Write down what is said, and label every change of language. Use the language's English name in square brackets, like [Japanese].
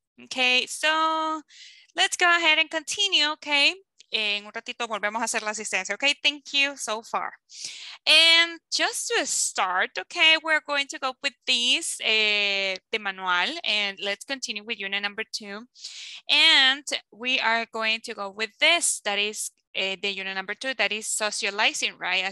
[English] Okay, so let's go ahead and continue, okay? [Spanish] En un ratito volvemos a hacer la asistencia, okay? [English] Thank you so far. And just to start, okay, we're going to go with this, the manual, and let's continue with unit number 2. And we are going to go with this, that is the unit number 2, that is socializing, right?